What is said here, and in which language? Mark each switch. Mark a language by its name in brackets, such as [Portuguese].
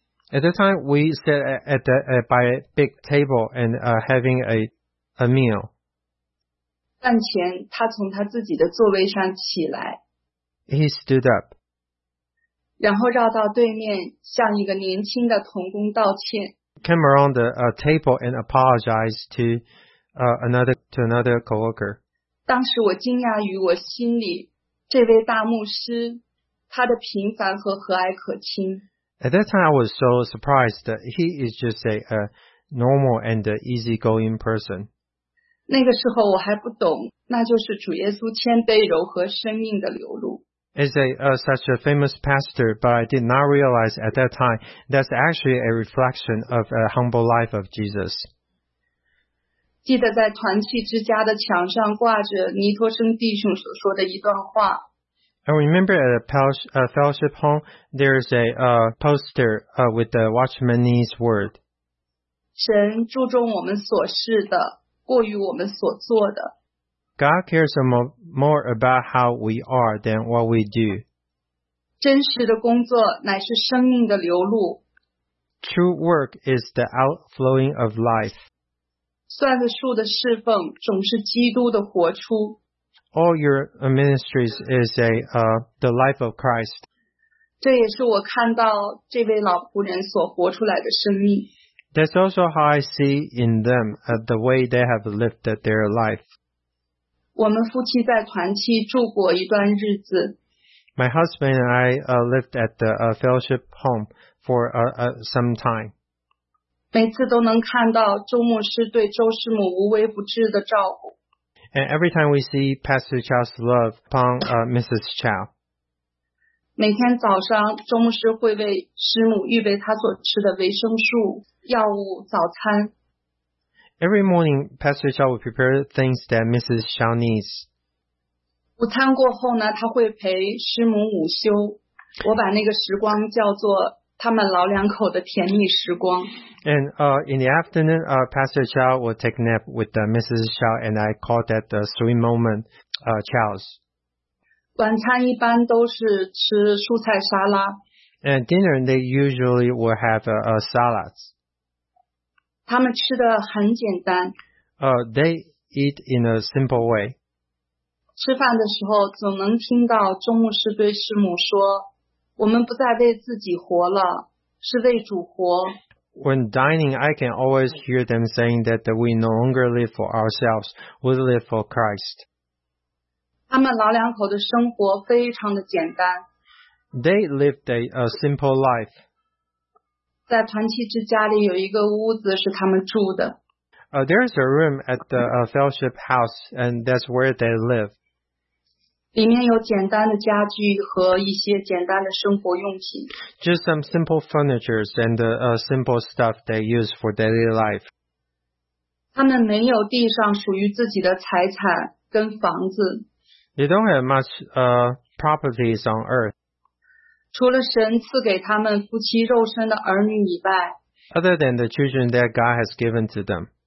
[English] At the time, we sat at the, by a big table and having a meal. [Chinese] 饭前他从他自己的座位上起来。 [English] He stood up. [Chinese] 然后绕到对面向一个年轻的同工道歉。 [English] Came around the table and apologized to another coworker. [Chinese] 当时我惊讶于我心里这位大牧师他的平凡和和蔼可亲。 [English] At that time I was so surprised that he is just a normal and easygoing person. [Chinese] 那个时候我还不懂那就是主耶稣谦卑柔和生命的流露。 [English] Is such a famous pastor, but I did not realize at that time that's actually a reflection of a humble life of Jesus. [Chinese] 记得在团契之家的墙上挂着尼托生弟兄所说的一段话。 [English] I remember at a fellowship home, there is a poster with the Watchman Nee's word. [Chinese] 神注重我们所事的，过于我们所做的。 [English] God cares more about how we are than what we do. [Chinese] 真实的工作乃是生命的流露。 [English] True work is the outflowing of life. [Chinese] 算子数的侍奉总是基督的活出。 [English] All your ministries is the life of Christ. [Chinese] 这也是我看到这位老仆人所活出来的生命。 [English] That's also how I see in them, the way they have lived their life. [Chinese] 我们夫妻在团契住过一段日子。 [English] My husband and I lived at the fellowship home for some time. [Chinese] 每次都能看到周牧师对周师母无微不至的照顾。 [English] And every time we see Pastor Chow's love upon Mrs. Chow. [Chinese] 每天早上，周牧师会为师母预备他所吃的维生素药物早餐。 [English] Every morning, Pastor Chow will prepare things that Mrs. Chow needs. [Chinese] 午餐过后呢，他会陪师母午休。我把那个时光叫做他们老两口的甜蜜时光。 [English] And in the afternoon, Pastor Chow will take a nap with Mrs. Chow, and I call that the sweet moment, Chow's. [Chinese] 晚餐一般都是吃蔬菜沙拉。 [English] And dinner, they usually will have a salads. [Chinese] 他们吃的很简单。 [English] They eat in a simple way. [Chinese] 吃饭的时候总能听到周牧师对师母说，我们不再为自己活了，是为主活。 [English] When dining, I can always hear them saying that we no longer live for ourselves, we live for Christ. [Chinese] 他们老两口的生活非常的简单。 [English] They lived a simple life. [Chinese] 在团契之家里有一个屋子是他们住的。 [English] There is a room at the fellowship house, and that's where they live. [Chinese] 里面有简单的家具和一些简单的生活用品。 [English] Just some simple furnitures and simple stuff they use for daily life. [Chinese] 他们没有地上属于自己的财产跟房子。 [English] They don't have much properties on earth. [Chinese] 除了神赐给他们夫妻肉身的儿女以外。 [English] Other than the children that God has given to them.